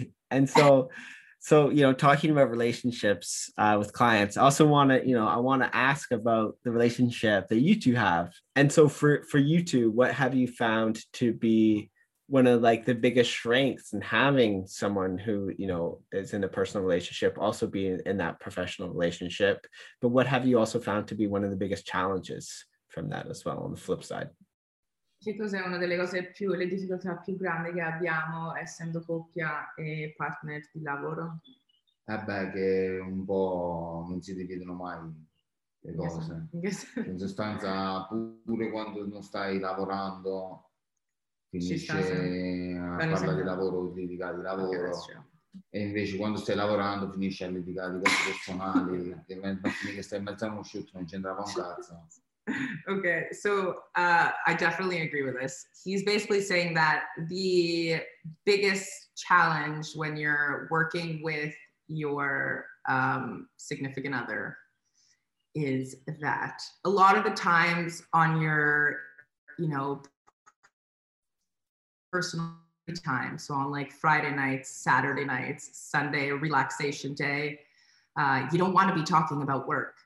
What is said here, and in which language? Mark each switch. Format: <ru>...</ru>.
<en>And so, you know, talking about relationships with clients, I also want to, you know, I want to ask about the relationship that you two have. And so for you two, what have you found to be one of like the biggest strengths in having someone who, you know, is in a personal relationship also be in that professional relationship. But what have you also found to be one of the biggest challenges from that as well, on the flip side?</en> <it>Che cos'è una delle cose più, le difficoltà più grandi che abbiamo essendo coppia e partner di lavoro? Che un po' non si dividono mai le cose. In sostanza, pure quando non stai lavorando, finisce a parlare di lavoro, litigare di lavoro. E invece quando stai lavorando finisce a litigare di cose personali. Che stai in mezzo a uno shoot, non c'entrava un cazzo.</it> <en>Okay, so I definitely agree with this. He's basically saying that the biggest challenge when you're working with your significant other is that a lot of the times on your, you know, personal time, so on like Friday nights, Saturday nights, Sunday, relaxation day, you don't want to be talking about work.</en>